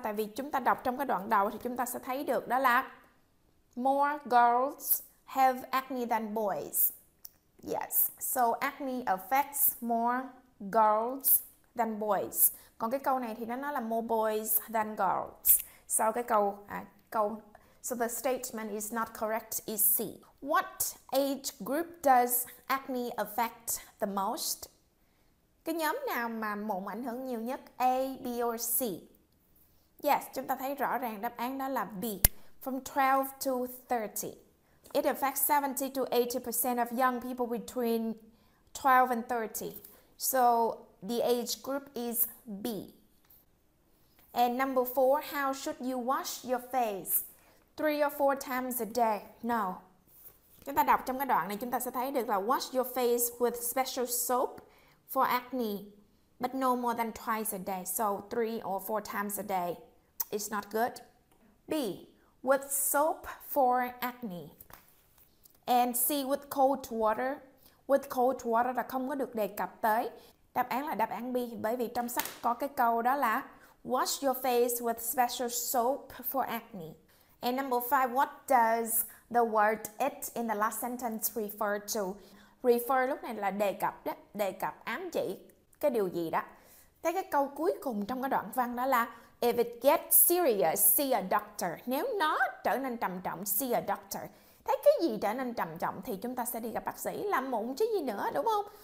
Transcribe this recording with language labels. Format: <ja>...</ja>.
<vi>Tại vì chúng ta đọc trong cái đoạn đầu thì chúng ta sẽ thấy được đó là</vi> <en>more girls have acne than boys.</en> <vi>Yes.</vi> <en>So acne affects more girls than boys.</en> <vi>Còn cái câu này thì nó nói là</vi> <en>more boys than girls.</en> <vi>Sau cái câu câu</vi> <en>so the statement is not correct is C. What age group does acne affect the most?</en> <vi>Cái nhóm nào mà mụn ảnh hưởng nhiều nhất? A, B or C? Yes, chúng ta thấy rõ ràng đáp án đó là B.</vi> <en>From 12 to 30. It affects 70 to 80% of young people between 12 and 30. So the age group is B. And number 4, how should you wash your face? 3 or 4 times a day? No.</en> <vi>Chúng ta đọc trong cái đoạn này chúng ta sẽ thấy được là</vi> <en>wash your face with special soap for acne, but no more than twice a day. So 3 or 4 times a day. It's not good. B. With soap for acne. And C. With cold water. With cold water</en> <vi>là không có được đề cập tới. Đáp án là đáp án B. Bởi vì trong sách có cái câu đó là</vi> <en>wash your face with special soap for acne. And number 5. What does the word it in the last sentence refer to?</en> <vi>Refer lúc này là đề cập đó. Đề cập ám chỉ cái điều gì đó. Thế cái câu cuối cùng trong cái đoạn văn đó là</vi> <en>If it gets serious, see a doctor.</en> <vi>Nếu nó trở nên trầm trọng,</vi> <en>see a doctor.</en> <vi>Thấy cái gì trở nên trầm trọng thì chúng ta sẽ đi gặp bác sĩ làm mụn chứ gì nữa, đúng không?</vi>